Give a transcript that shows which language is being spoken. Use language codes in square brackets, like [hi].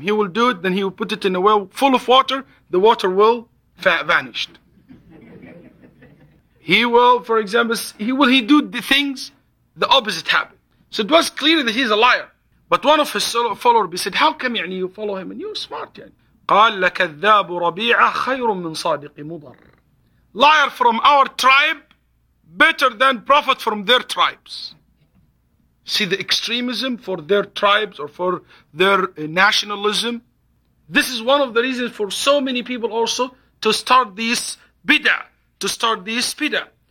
[en] He will do it, then he will put it in a well full of water, the water will vanished. He do the things, the opposite happen. So it was clear that he's a liar. But one of his followers said, how come you follow him and you're smart? [ar] قال لكذاب ربيعة خير من صادق مضر. [en] Liar from our tribe, better than prophet from their tribes. See the extremism for their tribes or for their nationalism. This is one of the reasons for so many people also to start this bid'ah, to start this bid'ah.